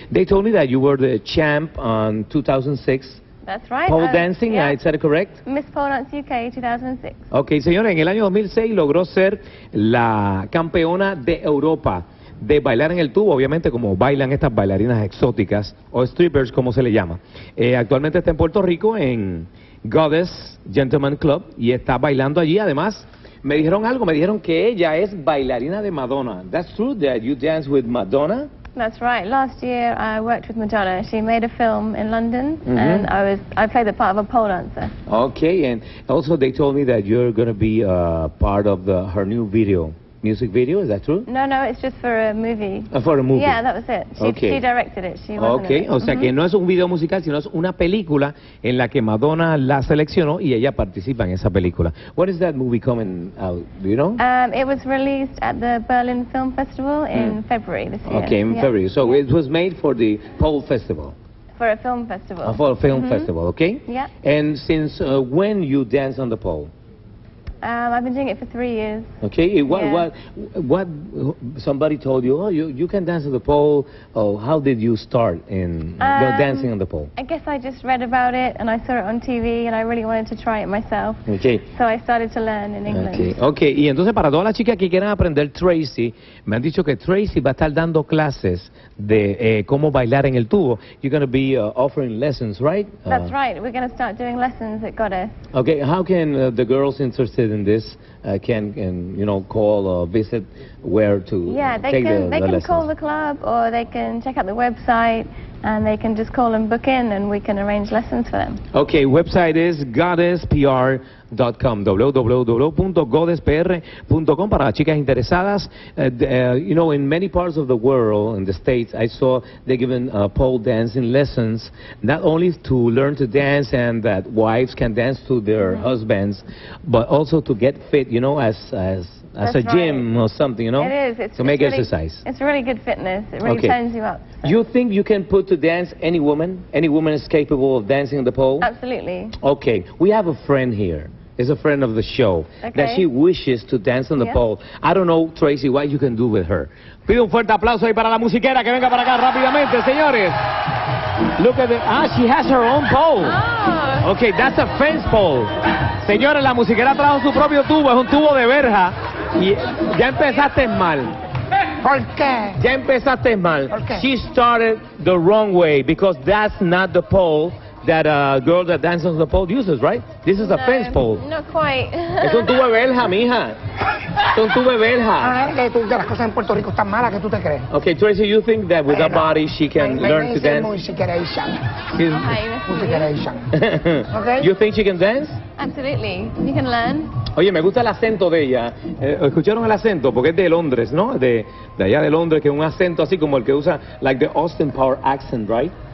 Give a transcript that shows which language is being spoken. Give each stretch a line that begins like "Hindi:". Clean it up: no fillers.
English: They told me that you were the champ on 2006. That's right. Pole dancing, yeah. I said it correct? Miss Pole Dance UK 2006.
Spanish: Okay, señora, en el año 2006 logró ser la campeona de Europa de bailar en el tubo, obviamente, como bailan estas bailarinas exóticas o strippers, como se le llama. Actualmente está en Puerto Rico en Goddess Gentleman Club y está bailando allí. Además, me dijeron algo, me dijeron que ella es bailarina de Madonna.
English: That's true that you dance with Madonna? That's right. Last year I worked with Madonna. She made a film in London, and I played the part of a pole dancer. Okay, and also they told me that you're going to be a part of the her new video. Music video, is that true? No, it's just for a movie. For a movie? Yeah, that was it. She directed it.
Spanish: O sea que no es un video musical, sino es una película en la que Madonna la seleccionó y ella participa en esa película.
English: What is that movie coming out, do you know? It was released at the Berlin Film Festival in February this year. Okay, in February. So it was made for the Pole Festival. For a film festival. For a film festival, okay? Yeah. And since when you dance on the pole? I've been doing it for 3 years. Okay, what somebody told you, oh, you can dance on the pole, oh, how did you start in dancing on the pole? I guess I just read about it and I saw it on TV and I really wanted to try it myself. Okay. So I started to learn in England.
Spanish: Okay, y entonces para todas las chicas que quieran aprender, Tracy, me han dicho que Tracy va a estar dando clases de cómo bailar en el tubo.
English: You're going to be offering lessons, right? That's right. We're going to start doing lessons at Goddess. Okay, how can the girls interested in this can you know, call or visit where to they can call the club, or they can check out the website and they can just call and book in and we can arrange lessons for them. Okay, website is goddesspr.com, www.goddesspr.com,
Spanish: para las chicas interesadas.
English: You know, in many parts of the world, in the States, I saw they're giving pole dancing lessons, not only to learn to dance and that wives can dance to their husbands, but also to get fit, you know, as That's a gym right. or something, you know? It's really exercise. It's really good fitness. It really turns you up. So. You think you can put to dance any woman? Any woman is capable of dancing on the pole? Absolutely. Okay. We have a friend here. It's a friend of the show. Okay. That she wishes to dance on the pole. I don't know, Tracy, what you can do with her.
Spanish: Pido un fuerte aplauso ahí para la musiquera que venga para acá rápidamente, señores.
English: Look at the... Ah, she has her own pole. Oh. Okay, that's a fence pole.
Spanish: Señores, la musiquera trajo su propio tubo. Es un tubo de verja. Y ya empezaste mal. ¿Por qué? Ya empezaste mal. ¿Por qué?
English: She started the wrong way because that's not the pole that a girl that dances on the pole uses, right? This is a fence pole. No, quite.
Spanish: Es un tubo de verja, mija. Es un tubo de verja. Ah, que las cosas en Puerto Rico están malas, ¿qué tú te crees?
English: Okay, Tracy, you think that with a body she can learn to dance?
Spanish: Muy siquiera ella. Sí, muy siquiera ella.
English: Okay. You think she can dance? Absolutely. You can learn.
Spanish: Oye, me gusta el acento de ella. ¿Escucharon el acento? Porque es de Londres, ¿no? De allá de Londres, que es un acento así como el que usa,
English: like the Austin Power accent, right?